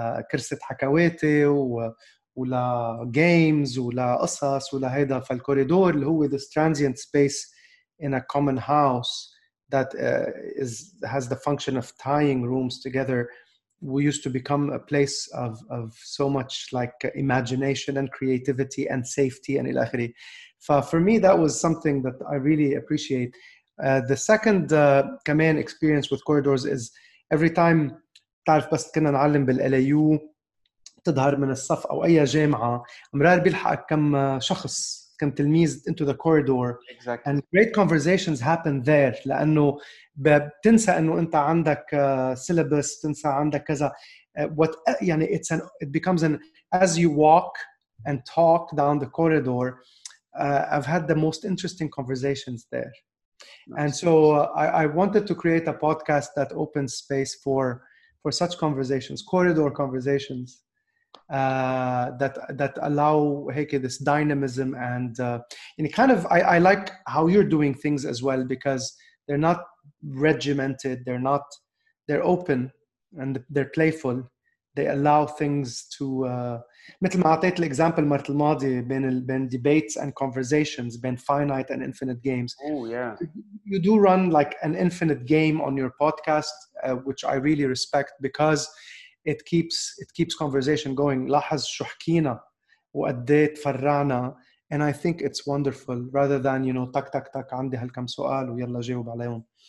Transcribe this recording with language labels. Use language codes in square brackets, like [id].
[ar] كرسة حكاواتي ولا games ولا قصص ولا هيدا [en] فالكوريدور اللي هو this transient space in a common house that has the function of tying rooms together we used to become a place of so much like imagination and creativity and safety and [ar] إلى آخره. [en] For me, that was something that I really appreciate. [ar] The second كمان [en] experience with corridors is every time [ar] تعرف بس كنا نعلم بالLAU تظهر من الصف أو أي جامعة مرار بيلحق كم شخص كم تلميذ [en] into the corridor exactly. And great conversations happen there [ar] لأنه بتنسى أنه أنت عندك [en] syllabus [ar] تنسى عندك كذا [en] what يعني it's an it becomes an as you walk and talk down the corridor I've had the most interesting conversations there nice. And so I wanted to create a podcast that opens space for such conversations corridor conversations that allow hey, this dynamism and and kind of I like how you're doing things as well, because they're not regimented, they're open and they're playful. They allow things to [ar] مثل ما عطيت الاكزامبل المره الماضيه [en] بين بين debates and conversations بين finite and infinite games. Oh yeah, you do run like an infinite game on your podcast, which I really respect, because it keeps conversation going. [ar] لاحظ شو حكينا وقد ايه تفرعنا, [en] and I think it's wonderful, rather than [ar] tak tak tak عندي هالكم سؤال ويلا جاوب عليهم.